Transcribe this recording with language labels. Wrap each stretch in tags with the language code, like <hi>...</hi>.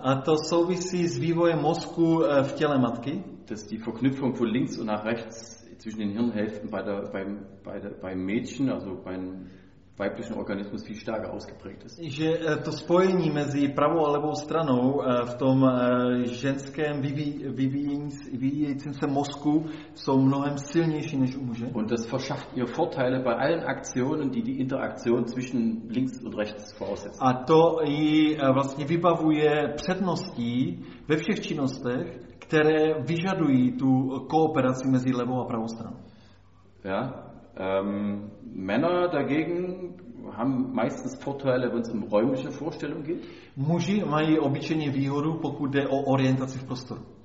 <cs>A to souvisí s vývojem mozku v těle matky.</cs> <de>Dass die Verknüpfung von links und nach rechts zwischen den Hirnhälften beim Mädchen, also beim weiblichen Organismus viel stärker ausgeprägt ist.</de> <cs>Že to spojení mezi pravou a levou stranou v tom ženském vyvíjejícím se mozku jsou mnohem silnější než u muže.</cs> <de>Und das verschafft ihr Vorteile bei allen Aktionen, die Interaktion zwischen links und rechts voraussetzt.</de> <cs>A to jí vlastně vybavuje předností ve všech činnostech, které vyžadují tu kooperaci mezi levou a pravou stranou.</cs> <de>Ja, Männer dagegen haben meistens Vorteile, wenn es um räumliche Vorstellung geht.</de> <cs>Muži mají obyčejně výhodu, pokud jde o orientaci v prostoru.</cs>